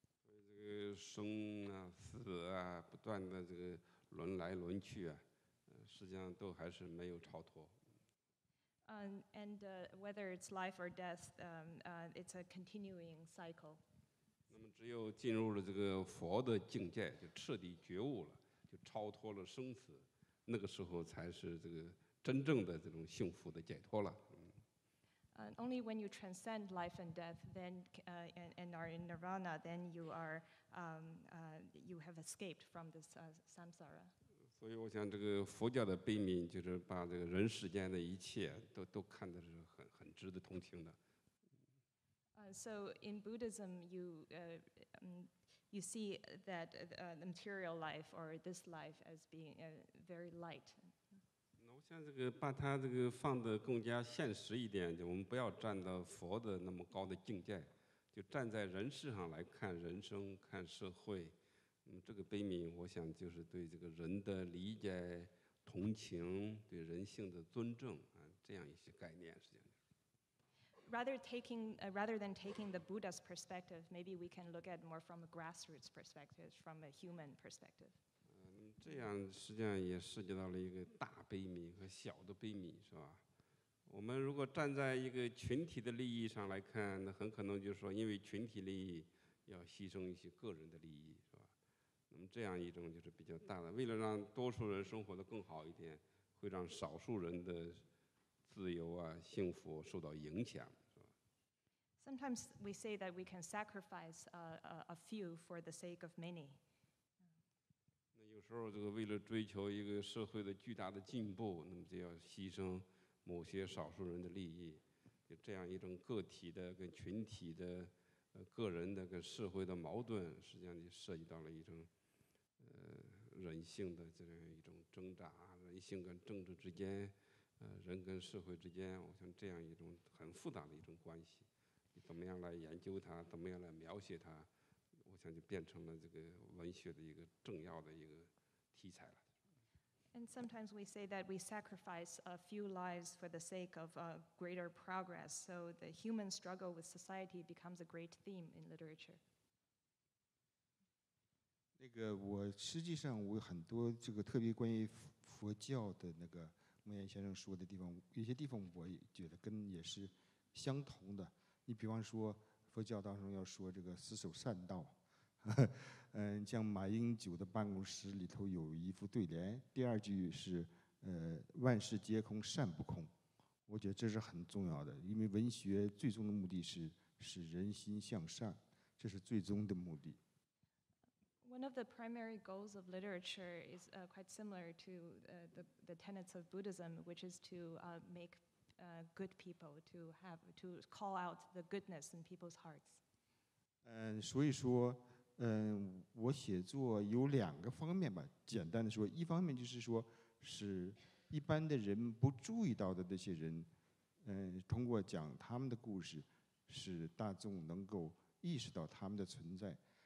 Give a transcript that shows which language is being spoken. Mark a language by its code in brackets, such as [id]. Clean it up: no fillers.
[zh] 这个生啊死啊不断的这个轮来轮去啊，实际上都还是没有超脱。 [en] And whether it's life or death, it's a continuing cycle. [zh] 那么只有进入了这个佛的境界，就彻底觉悟了。就超脱了生死，那个时候才是这个真正的这种幸福的解脱了。嗯。 [en] Only when you transcend life and death, then and are in nirvana, then you are you have escaped from this samsara. [zh] 所以我想，这个佛教的悲悯就是把这个人世间的一切都看得是很值得同情的。 [en] So in Buddhism, you you see that the material life or this life as being very light. [zh] 那我想这个把它这个放得更加现实一点，就我们不要站到佛的那么高的境界，就站在人世上来看人生、看社会。那么这个悲悯，我想就是对这个人的理解、同情、对人性的尊重啊，这样一些概念，实际上。 [en] Rather than taking the Buddha's perspective, maybe we can look at more from a grassroots perspective, from a human perspective. [zh] 这样实际上也涉及到了一个大悲悯和小的悲悯，是吧？我们如果站在一个群体的利益上来看，那很可能就是说，因为群体利益要牺牲一些个人的利益，是吧？那么这样一种就是比较大的，为了让多数人生活得更好一点，会让少数人的自由啊，幸福受到影响，是吧？ [en] Sometimes we say that we can sacrifice a few for the sake of many. [zh] 那有时候这个为了追求一个社会的巨大的进步，那么就要牺牲某些少数人的利益，就这样一种个体的跟群体的、个人的跟社会的矛盾，实际上就涉及到了一种人性的这样一种挣扎，人性跟政治之间。人跟社会之间，我想这样一种很复杂的一种关系，你怎么样来研究它，怎么样来描写它，我想就变成了这个文学的一个重要的一个题材了。 [en] And sometimes we say that we sacrifice a few lives for the sake of a greater progress, so the human struggle with society becomes a great theme in literature. [zh] 那个我实际上我很多这个特别关于佛教的那个。孟岩先生说的地方，有些地方我也觉得跟也是相同的。你比方说佛教当中要说这个死守善道，像马英九的办公室里头有一副对联，第二句是万事皆空善不空，我觉得这是很重要的，因为文学最终的目的是使人心向善，这是最终的目的。 [en] One of the primary goals of literature is quite similar to the tenets of Buddhism, which is to make good people, to call out the goodness in people's hearts. [zh] 所以说，我写作有两个方面吧。简单的说，一方面就是说，使一般的人不注意到的那些人，通过讲他们的故事，使大众能够意识到他们的存在。